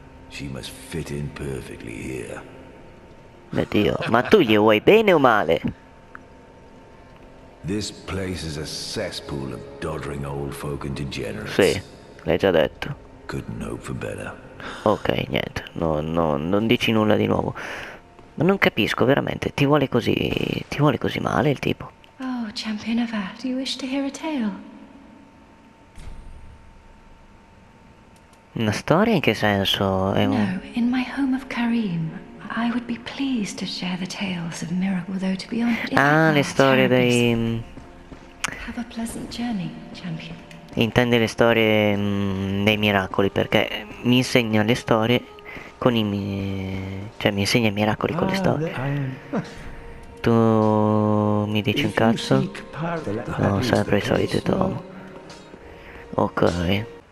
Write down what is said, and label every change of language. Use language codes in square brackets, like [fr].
[en] She must fit in perfectly here. [it] Mio Dio, ma tu gli vuoi bene o male? [en] This place is a cesspool of doddering old folk and degenerates. [it] Sì, l'hai già detto. [en] Couldn't hope for better. [it] Ok, niente. Non dici nulla di nuovo. Ma non capisco, veramente. Ti vuole così male il tipo? [en] Oh, Champion of Art, do you wish to hear a tale? [it] Una storia in che senso? [en] No, in my home of Karim, I would be pleased to share the tales of Miracle, though to be honest. [it] Ah, le storie dei. [en] Have a pleasant journey, champion. [it] Intende le storie dei miracoli, perché mi insegna le storie con i miei. Cioè, mi insegna i miracoli con le storie. Tu mi dici un cazzo? No, sempre il solito Tom. Ok.